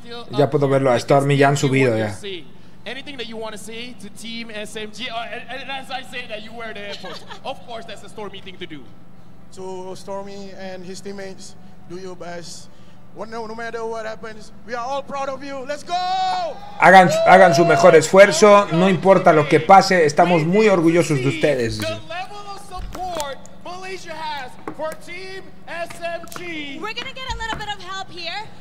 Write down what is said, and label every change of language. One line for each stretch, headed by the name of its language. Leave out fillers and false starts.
Spanish: Ya puedo verlo a Stormy, ya han subido ya.
English: Anything that you want to say to Team SMG, and as I say that you were the effort, of course that's a Stormy thing to do. To Stormy and his teammates, do your best. No matter what happens, we are all proud of you. Let's go.
Spanish: Hagan su mejor esfuerzo. No importa lo que pase, estamos muy orgullosos de ustedes.
English: The level of support Malaysia has for Team SMG. We're gonna get a little bit of help here.